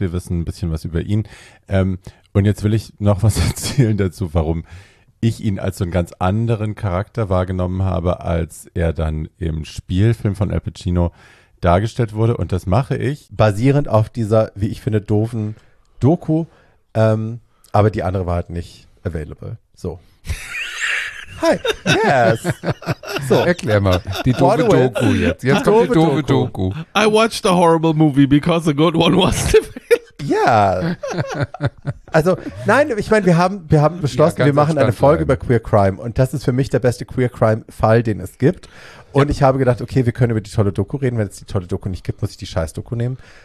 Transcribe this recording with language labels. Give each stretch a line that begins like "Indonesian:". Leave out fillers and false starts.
German: Wir wissen ein bisschen was über ihn. Und jetzt will ich noch was erzählen dazu, warum ich ihn als so einen ganz anderen Charakter wahrgenommen habe, als er dann im Spielfilm von Al Pacino dargestellt wurde. Und das mache ich basierend auf dieser, wie ich finde, doofen Doku. Aber die andere war halt nicht available.
English: So. Hi. Yes.
German: So. Erklär mal. Die doofe Doku jetzt. Jetzt kommt die doofe Doku.
English: I watched a horrible movie because a good one was
German: Ja. Also, nein, ich meine, wir haben beschlossen, ja, wir machen eine Folge über Queer Crime und das ist für mich der beste Queer Crime Fall, den es gibt. Und ja, ich habe gedacht, okay, wir können über die tolle Doku reden, wenn es die tolle Doku nicht gibt, muss ich die scheiß Doku nehmen.